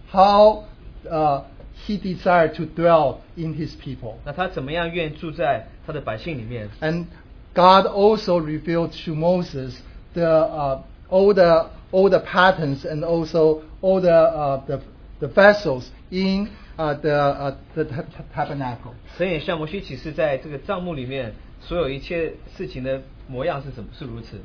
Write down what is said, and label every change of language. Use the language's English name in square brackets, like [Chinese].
[English] How he desired to dwell in his people. [Chinese] 那他怎么样愿住在他的百姓里面? [English] And God also revealed to Moses the all the patterns and also all the vessels in the tabernacle. [Chinese] 所以向摩西启示在这个帐幕里面所有一切事情的模样是怎么是如此